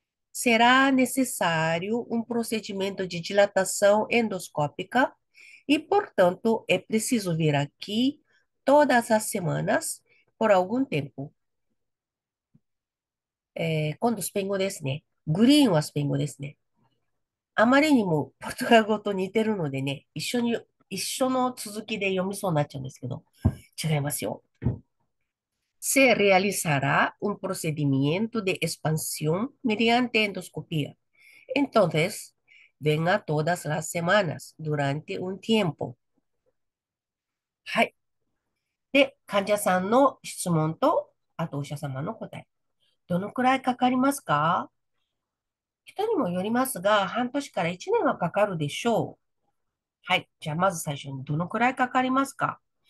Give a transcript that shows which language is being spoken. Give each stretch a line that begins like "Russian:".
Portuguese: Será necessário um procedimento de dilatação endoscópica e, portanto, é preciso vir aqui todas as semanas por algum tempo.
Japanese: É,今度、スペイン語ですね。グリーンはスペイン語ですね。あまりにもポルトガル語と似てるのでね、一緒の続きで読みそうになっちゃうんですけど、違いますよ。
Spanish: Se realizará un procedimiento de expansión mediante endoscopía. Entonces, venga todas las semanas durante un tiempo.
Japanese: はい。で、患者さんの質問と、あとお医者様の答え。どのくらいかかりますか？人にもよりますが、半年から1年はかかるでしょう。はい。じゃあ、まず最初に、どのくらいかかりますか？